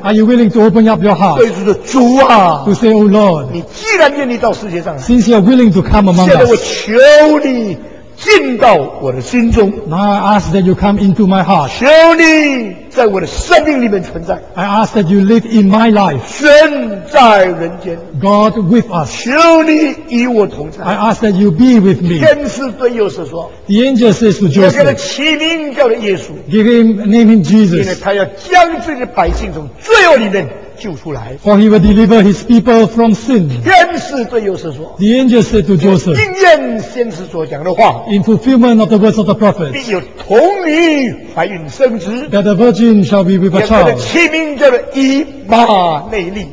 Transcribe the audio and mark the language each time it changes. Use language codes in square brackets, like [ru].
[en] Are you willing to open up your heart? [zh] 对主啊, [en] to say, Oh Lord, [zh] 你既然愿意到世界上来, [en] since you are willing to come among us, [zh] 现在我求你, 进到我的心中, [en] now I ask that you come into my heart. [zh] 求你在我的生命里面存在, [en] I ask that you live in my life. [zh] 神在人间, [en] God with us. [zh] 求你与我同在, [en] I ask that you be with me. [zh] 天使对耶稣说, [en] the angel says to Joseph, [zh] 要给他起名叫耶稣, [en] give him, name him Jesus. [zh] 因为他要将自己的百姓从罪恶里面, [en] for he will deliver his people from sin. [zh] 天使对耶稣说, [en] the angel said to Joseph, [zh] 应验先知所讲的话, [en] in fulfillment of the words of the prophet, [zh] 必有童女怀孕生子, [en] that the virgin shall be with a child, [zh] 也给他起名叫做以马内利,